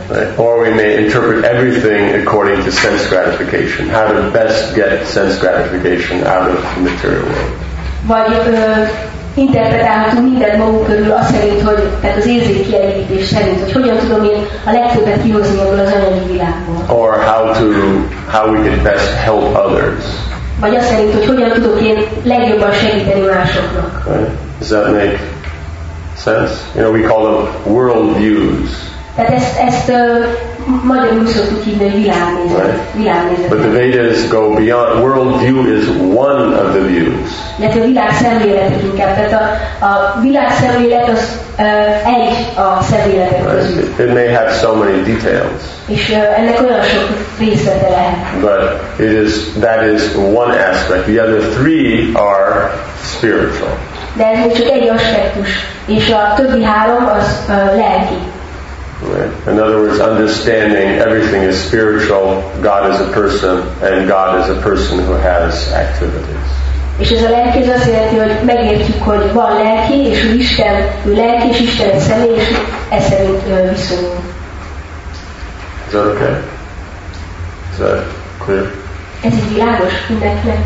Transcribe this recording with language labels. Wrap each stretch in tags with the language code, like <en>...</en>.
<en>Right. Or we may interpret everything according to sense gratification. How to best get sense gratification out of the material world.</en> <hu>Vagy interpretálhatunk mindent magunk körül azt szerint, hogy tehát az érzékkielégítés szerint, hogy hogyan tudom én a legtöbbet kihozni ebből az anyagi világból.</hu> <en>Or how we can best help others.</en> <hu>Vagy azt szerint, hogy hogyan tudok én legjobban segíteni másoknak.</hu> <en>Does that make sense? You know, we call them world views.</en> <hu>Tehát ezt magyarul szoktuk hívni, hogy világnézet.</hu> <en>But the Vedas go beyond. World view is one of the views.</en> <hu>Tehát a világszemléletek inkább. Tehát a világszemlélet az egy a szemléletek közül.</hu> <en>It may have so many details.</en> <hu>És ennek olyan sok részlete lehet.</hu> <en>But it is, that is one aspect. The other three are spiritual.</en> <hu>De ez csak egy aspektus. És a többi három az lelki.</hu> <en>Right. In other words, understanding everything is spiritual, God is a person, and God is a person who has activities.</en> <hu>És ez a lelki az azt jelenti, hogy megértjük, hogy van lelki, és hogy Isten, ő lelki, és Isten személy, és ez szerint viszonyul.</hu> <en>Is that okay? Is that clear?</en> <hu>Ez egy világos mindenkinek?</hu>